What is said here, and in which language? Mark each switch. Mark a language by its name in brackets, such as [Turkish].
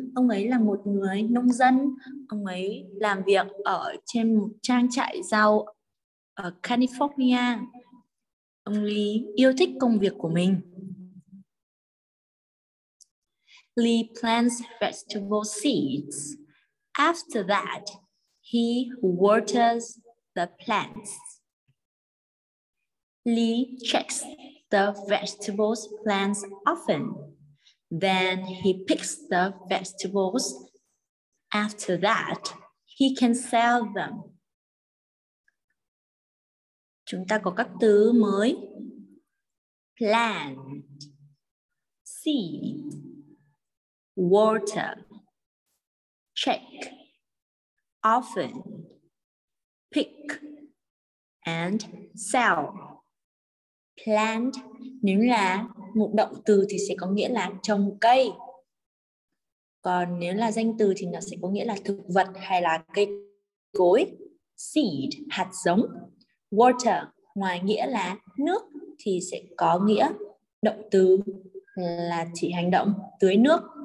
[Vietnamese] Ông ấy là một người nông dân. Ông ấy làm việc ở trên một trang trại rau ở California. Ông Lee yêu thích công việc của mình. [English] Lee plants vegetable seeds. After that, he waters the plants. Lee checks the vegetables plants often. Then he picks the vegetables. After that, he can sell them. [Vietnamese] Chúng ta có các từ mới. [English] Plant, seed, water, check, often, pick, and sell. [Vietnamese] Plant, nếu là một động từ thì sẽ có nghĩa là trồng cây. Còn nếu là danh từ thì nó sẽ có nghĩa là thực vật hay là cây cối. Seed, hạt giống. Water, ngoài nghĩa là nước thì sẽ có nghĩa động từ là chỉ hành động tưới nước.